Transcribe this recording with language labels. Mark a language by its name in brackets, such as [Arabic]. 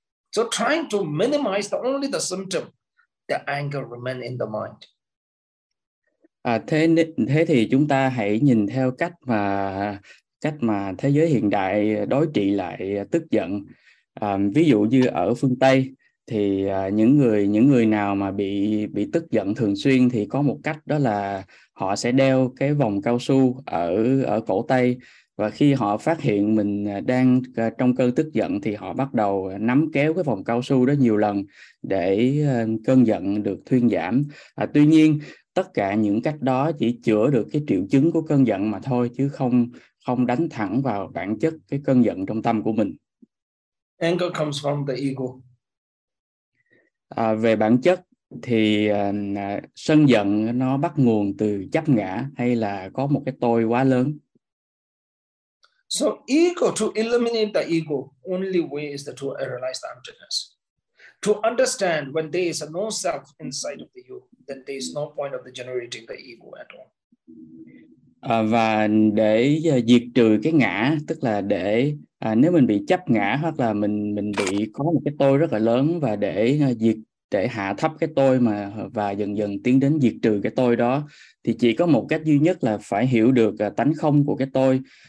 [English] So trying to minimize the only the symptom, the anger remain in the mind. [Vietnamese] Thế thì chúng ta hãy nhìn theo cách mà thế giới hiện đại đối trị lại tức giận. Ví dụ như ở phương Tây thì những người nào mà bị tức giận thường xuyên thì có một cách, đó là họ sẽ đeo cái vòng cao su ở cổ tay. Và khi họ phát hiện mình đang trong cơn tức giận thì họ bắt đầu nắm kéo cái vòng cao su đó nhiều lần để cơn giận được thuyên giảm. Tuy nhiên, tất cả những cách đó chỉ chữa được cái triệu chứng của cơn giận mà thôi, chứ không đánh thẳng vào bản chất cái cơn giận trong tâm của mình. [English] Anger comes from the ego. [Vietnamese] Về bản chất thì sân giận nó bắt nguồn từ chấp ngã, hay là có một cái tôi quá lớn. [English] So ego, to eliminate the ego, only way is to realize the emptiness. To understand when there is no self inside of the you, then there is no point of the generating the ego at all. [Vietnamese] Và để diệt trừ cái ngã, tức là để nếu mình bị chấp ngã hoặc là mình bị có một cái tôi rất là lớn, và để hạ thấp cái tôi mà và dần dần tiến đến diệt trừ cái tôi đó, thì chỉ có một cách duy nhất là phải hiểu được tánh không của cái tôi.